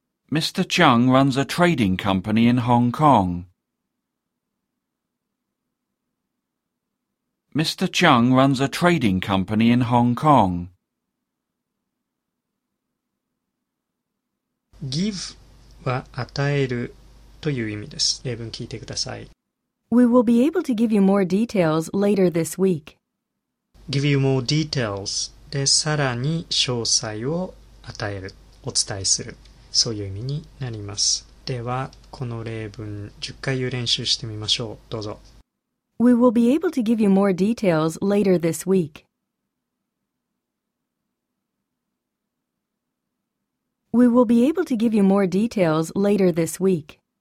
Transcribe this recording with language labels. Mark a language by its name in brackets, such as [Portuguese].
[English] Mr. Chung runs a trading company in Hong Kong. Mr. Chung runs a trading company in Hong Kong. [Japanese] Give は与えるという意味です。例文聞いてください。 [English] We will be able to give you more details later this week. Give you more details [Japanese] でさらに詳細を与える、お伝えする。そういう意味になります。では、この例文10回を練習してみましょう。どうぞ。 [English] We will be able to give you more details later this week. We will be able to give you more details later this week.